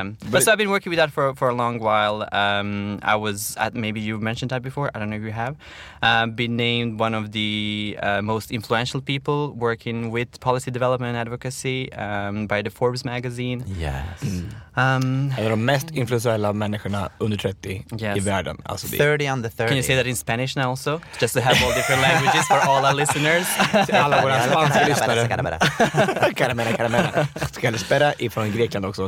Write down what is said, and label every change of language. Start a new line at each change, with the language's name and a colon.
English: But I've been working with that for a long while. I was at, maybe you've mentioned that before, I don't know if you have, been named one of the most influential people working with policy development and advocacy by the Forbes magazine. Yes.
Swedish: Är de mest influensiella människorna under 30 i världen. Alltså 30 under 30.
English: Can you say that in Spanish now also? Just to have all different languages for all our listeners.
Swedish: Alla våra spanska lyssnare. Caramera. Ska du spara ifrån Grekland också?